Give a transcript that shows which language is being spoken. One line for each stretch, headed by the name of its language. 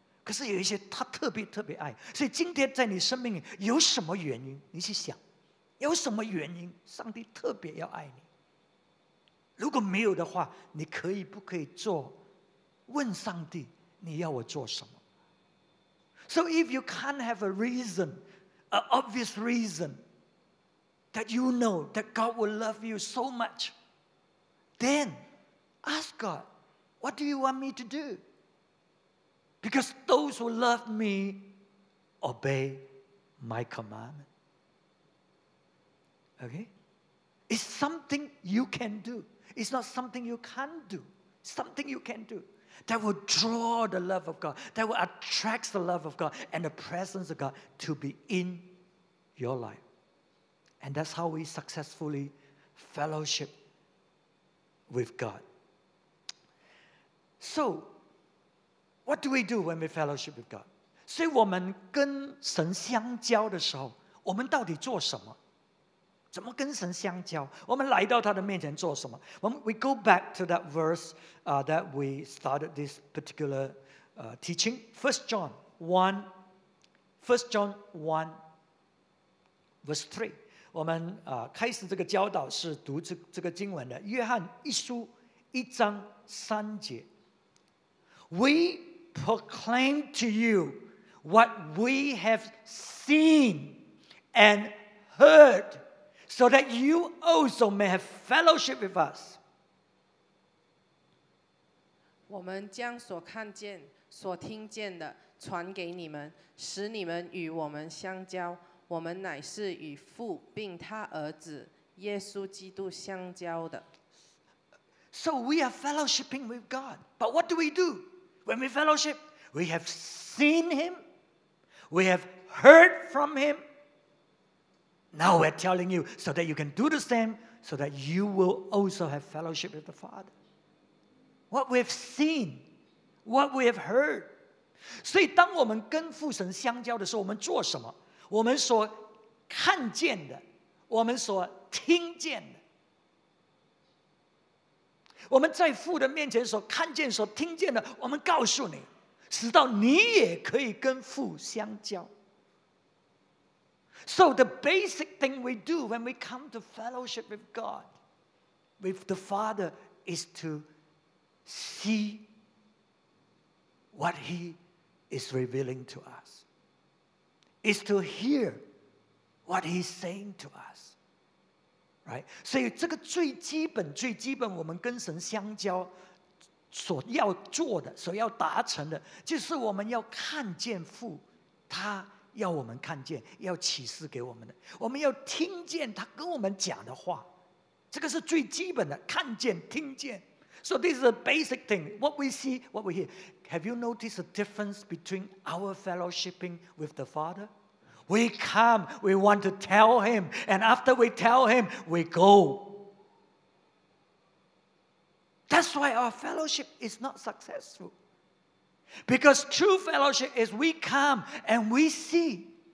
Chinese: 可是有一些他特别特别爱，所以今天在你生命里有什么原因？你去想，有什么原因上帝特别要爱你？如果没有的话，你可以不可以做问上帝你要我做什么？
English: So if you can't have a reason, an obvious reason that you know that God will love you so much, then ask God, what do you want me to do? Because those who love me obey my commandment. Okay? It's something you can do. It's not something you can't do. Something you can do that will draw the love of God, that will attract the love of God and the presence of God to be in your life. And that's how we successfully fellowship with God. So,What do we do when we fellowship with God?
Chinese: 所以我们跟神相交的时候，我们到底做什么？怎么跟神相交？我们来到他的面前做什么？
English: We go back to that verse that we started this particular teaching. 1 John 1 verse 3.
Chinese: 我们开始这个教导是读这个经文的。约翰一书一章三节。
English: We proclaim to you what we have seen and heard, so that you also may have fellowship with us.
Chinese: 我们将所看见、所听见的传给你们，使你们与我们相交。我们乃是与父并他儿子耶稣基督相交的。
English: So we are fellowshipping with God. But what do? When we fellowship, we have seen him. We have heard from him. Now we're telling you so that you can do the same, so that you will also have fellowship with the Father. What we've seen, what we have heard.
Chinese: 所以当我们跟父神相交的时候，我们做什么？我们所看见的，我们所听见的，我们在父的面前所看见、所听见的，我们告诉你，使到你也可以跟父相交。
English: So the basic thing we do when we come to fellowship with God, with the Father, is to see what He is revealing to us. Is to hear what He's saying to us. Right?
Chinese: 所以这个最基本、最基本我们跟神相交所要做的、所要达成的，就是我们要看见父他要我们看见、要启示给我们的。我们要听见他跟我们讲的话。这个是最基本的，看见、听见。
English: So this is a basic thing. What we see, what we hear. Have you noticed a difference between our fellowshipping with the Father? We come, we want to tell Him, and after we tell Him, we go. That's why our fellowship is not successful. Because true fellowship is we come and we see.